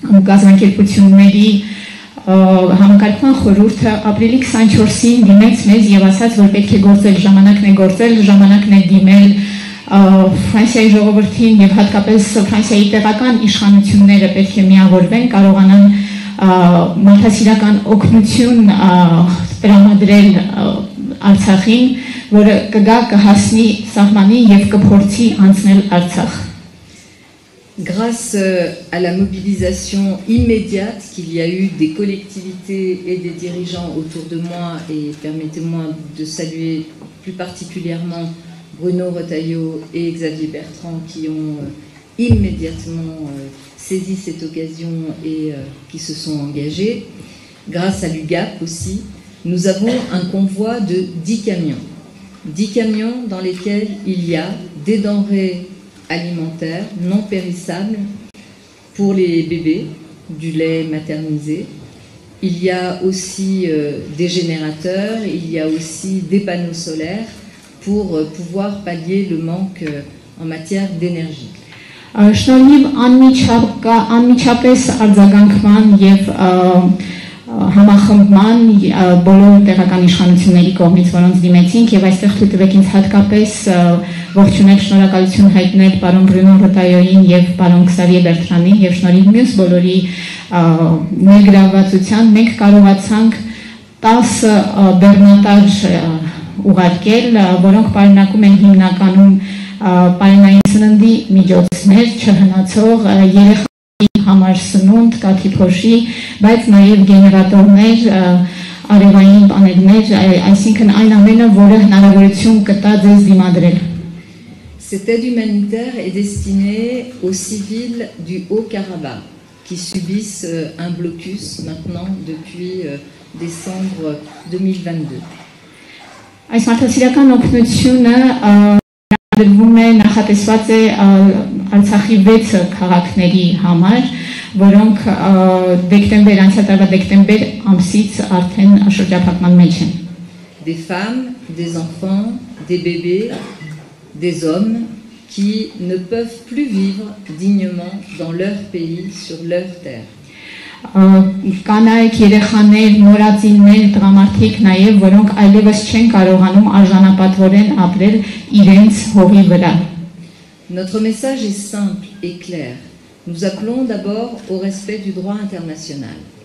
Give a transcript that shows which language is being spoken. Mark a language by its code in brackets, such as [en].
[hy] գազանկերպությունների համակարգման խորհուրդը ապրիլի 24-ին դիմեց մեզ և ասաց, որ պետք է գործել, ժամանակն է դիմել Ֆրանսիայի ժողովրդին և հատկապես Ֆրանսիայի տեղական իշխանությունները պետք է միավորվեն, կարողանան մարդասիրական օգնություն տրամադրել Արցախին, որը կգա, կհասնի սահմանին և կփորձի անցնել Արցախ. [fr] Grâce à la mobilisation immédiate qu'il y a eu des collectivités et des dirigeants autour de moi, et permettez-moi de saluer plus particulièrement Bruno Retailleau et Xavier Bertrand qui ont immédiatement saisi cette occasion et qui se sont engagés, grâce à l'UGAP aussi, nous avons un convoi de 10 camions. 10 camions dans lesquels il y a des denrées alimentaires non périssables pour les bébés, du lait maternisé. Il y a aussi des générateurs, il y a aussi des panneaux solaires pour pouvoir pallier le manque en matière d'énergie. [hy] Շնորհիվ անմիջապես արձագանքման և համախմբման բոլոր տեղական իշխանությունների կողմից, որոնց դիմեցինք, և այստեղ թույլ տվեք ինձ հատկապես ողջունել, շնորհակալություն հայտնել պարոն Բրյունո Ռտայոյին և պարոն Քսավիե Բերտրանին, և շնորհիվ մյուս բոլորի ներգրավվածության, մենք կարողացանք 10 բեռնատար ուղարկել, որոնք պարունակում են հիմնականում պայմանային սննդի միջոցներ, չհնացող երեխայի համար սնունդ, կաթիփոշի, բայց նաև գեներատորներ, արևային պանելներ, այսինքն այն ամենը, որը հնարավորություն կտա ձեզ դիմադրել. [fr] Cette aide humanitaire est destinée aux civils du Haut-Karabakh qui subissent un blocus maintenant depuis décembre 2022. [hy] Որոնք դեկտեմբեր անցած դեկտեմբեր ամսից արդեն շրջապատման մեջ են. [fr] Des femmes, des enfants, des bébés, des hommes qui ne peuvent plus vivre dignement dans leur pays, sur leur terre. [hy] Կանայք, երեխաներ, նորածիններ, տղամարդիկ նաև, որոնք այլևս չեն կարողանում արժանապատվորեն ապրել իրենց հողի վրա. [fr] Notre message est simple et clair. Nous appelons d'abord au respect du droit international.